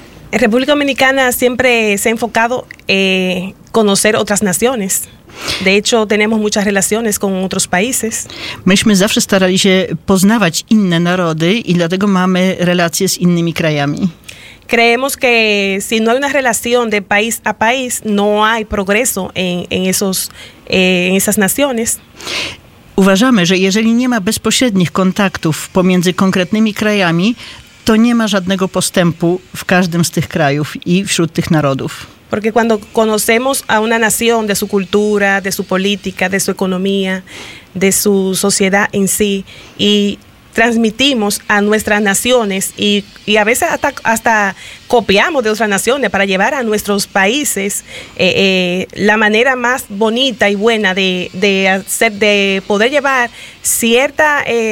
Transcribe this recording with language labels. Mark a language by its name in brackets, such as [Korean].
[Spanish] La República Dominicana siempre se ha enfocado en conocer otras naciones. De hecho, tenemos muchas relaciones con otros países. [Polish] Myśmy zawsze starali się poznawać inne narody i dlatego mamy relacje z innymi krajami. [Spanish] Creemos que si no hay una relación de país a país, no hay progreso en esas naciones. [Polish] Uważamy, że jeżeli nie ma bezpośrednich kontaktów pomiędzy konkretnymi krajami, to nie ma żadnego postępu w każdym z tych krajów i wśród tych narodów. [Spanish] Porque cuando conocemos a una nación de su cultura, de su política, de su economía, de su sociedad en sí, y transmitimos a nuestras naciones y a veces hasta copiamos de otras naciones para llevar a nuestros países la manera más bonita y buena de poder llevar cierta